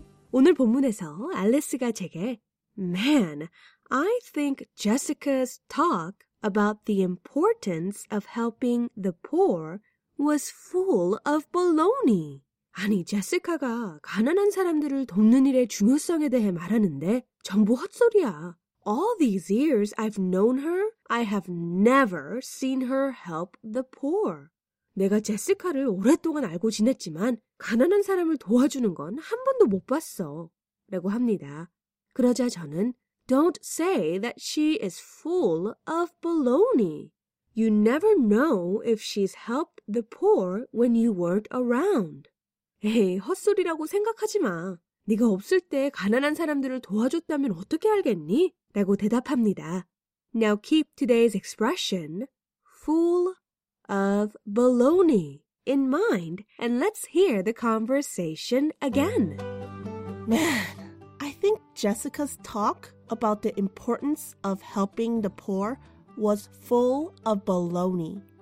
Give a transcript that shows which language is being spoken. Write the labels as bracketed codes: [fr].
[ko] 오늘 본문에서 알레스가 제게 [en] Man, I think Jessica's talk about the importance of helping the poor was full of baloney. [ko] 아니, 제시카가 가난한 사람들을 돕는 일의 중요성에 대해 말하는데 전부 헛소리야. [en] All these years I've known her, I have never seen her help the poor. [ko] 내가 제시카를 오랫동안 알고 지냈지만 가난한 사람을 도와주는 건 한 번도 못 봤어. 라고 합니다. 그러자 저는 [en] Don't say that she is full of baloney. You never know if she's helped the poor when you weren't around. [ko] 에이, 헛소리라고 생각하지 마. 네가 없을 때 가난한 사람들을 도와줬다면 어떻게 알겠니? 라고 대답합니다. [en] Now keep today's expression, full of baloney, in mind, and let's hear the conversation again. Man, I think Jessica's talk about the importance of helping the poor was full of baloney.